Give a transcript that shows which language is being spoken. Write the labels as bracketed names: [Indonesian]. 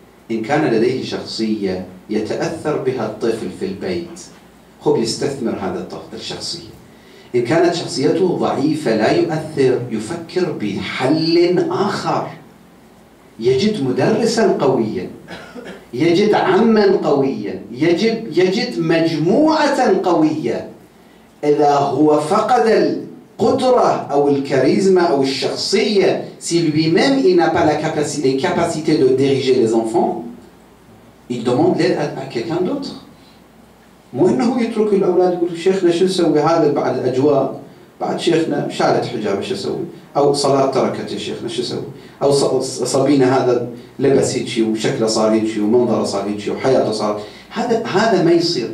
[Arabic] إن كان لديه شخصية يتأثر بها الطفل في البيت، خب يستثمر هذا الطفل الشخصية. إن كانت شخصيته ضعيفة لا يؤثر، يفكر بحل آخر، يجد مدرسا قويا، يجد عما قويا، يجد مجموعة قوية. إذا هو فقد القدرة أو الكاريزما أو الشخصية، [French] si lui-même il n'a pas la capacité de diriger les enfants, il demande l'aide à quelqu'un d'autre. [Arabic] مو إنه يترك الأولاد يقول شيخنا شو نسوي، هذا بعد الأجواء، بعد شيخنا شالت حجابه شو نسوي، أو صلاة تركت شيخنا شو نسوي، أو صبينا هذا لبس هيجي وشكله صار هيجي ومنظره صار هيجي وحياته صارت، هذا ما يصير.